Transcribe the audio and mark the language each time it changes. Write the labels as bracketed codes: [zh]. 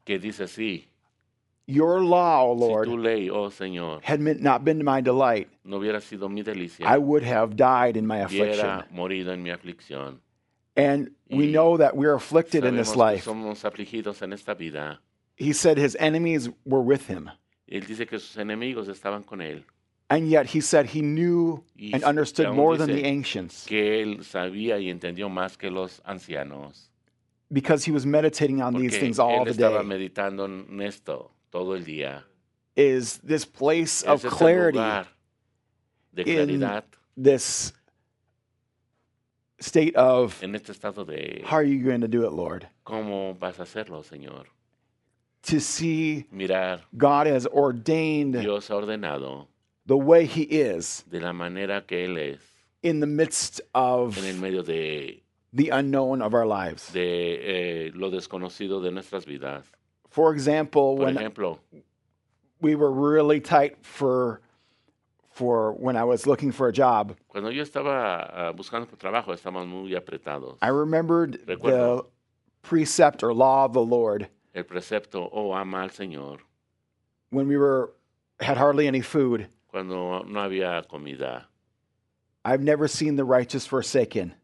[es] que dice así, [en] your law, Lord, [es] si tu ley, oh Señor, [en] had not been my delight, [es] no hubiera sido mi delicia, [en] I would have died in my affliction. [es] Hubiera morido en mi aflicción. [en] And we know that we are afflicted in this life. [es] Sabemos que somos afligidos en esta vida. [en] He said his enemies were with him. [es] Él dice que sus enemigos estaban con él. [en] And yet he said he knew and understood more than the ancients. [es] Que él sabía y entendió más que los ancianos. [en] Because he was meditating on [es] porque [en] these things all the [es] estaba [en] day. [es] Meditando en esto todo el día. [en] Is this place of clarity [es] lugar de claridad [en] in this state of [es] en este estado de, [en] how are you going to do it, Lord? [es] ¿Cómo vas a hacerlo, Señor? [en] To see [es] mirar, [en] God has ordained [es] Dios ha ordenado [en] the way he is [es] de la manera que él es [en] in the midst of [es] en el medio de [en] the unknown of our lives. [es] De lo desconocido de nuestras vidas. [en] For example, [es] por [en] when [es] ejemplo, [en] we were really tight for when I was looking for a job. [es] Cuando yo estaba buscando trabajo, estábamos muy apretados. [en] I remembered [es] recuerdo [en] the precept or law of the Lord. [es] El precepto, oh, ama al Señor. [en] When we were had hardly any food. [es] Cuando no había comida. [en] I've never seen the righteous forsaken.